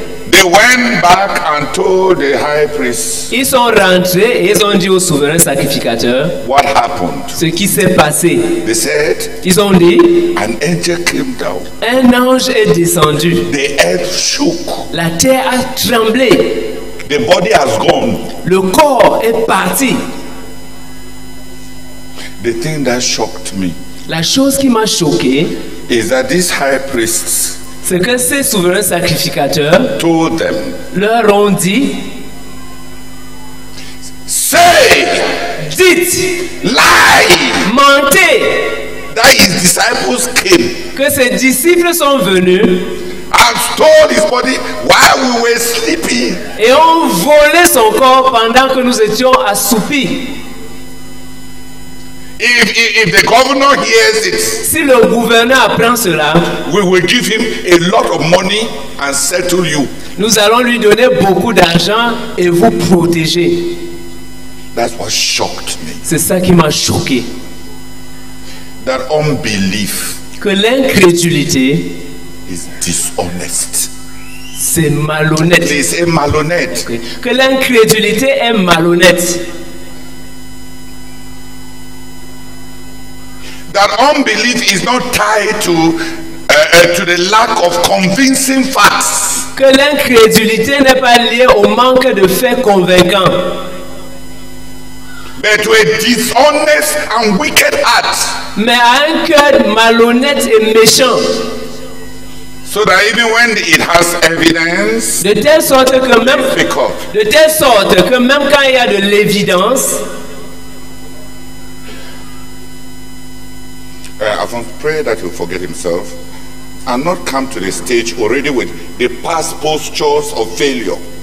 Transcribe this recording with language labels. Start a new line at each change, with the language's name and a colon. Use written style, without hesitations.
English: They went back and told the high priest.
French: Ils sont rentrés et ils ont dit au souverain sacrificateur.
English: What happened?
French: Ce qui s'est passé.
English: They said.
French: Ils ont dit.
English: An angel came down.
French: Un ange est descendu.
English: The earth shook.
French: La terre a tremblé.
English: The body has gone.
French: Le corps est parti.
English: The thing that shocked me.
French: La chose qui m'a choqué.
English: Is that this high priest.
French: C'est que ces souverains sacrificateurs.
English: Told them.
French: Leur ont dit.
English: Say.
French: Dites.
English: Lie.
French: Mentez.
English: That his disciples came.
French: Que ses disciples sont venus.
English: And stole his body while we were sleeping.
French: Et ont volé son corps pendant que nous étions assoupis.
English: If the governor hears it,
French: si le gouverneur apprend cela,
English: we will give him a lot of money and settle you.
French: Nous allons lui donner beaucoup d'argent et vous protéger.
English: That's what shocked me.
French: C'est ça qui m'a choqué.
English: That unbelief.
French: Que l'incrédulité
English: is dishonest.
French: C'est malhonnête. C'est malhonnête. Okay. Que l'incrédulité est malhonnête.
English: That unbelief is not tied to to the lack of convincing facts.
French: Que l'incrédulité n'est pas liée au manque de faits convaincants.
English: But to a dishonest and wicked heart.
French: Mais à un cœur malhonnête et méchant.
English: So that even when it has evidence,
French: de telle sorte que même, quand il y a de l'évidence.
English: Avant, pray that he'll forget himself and not come to the stage already with the past postures of failure.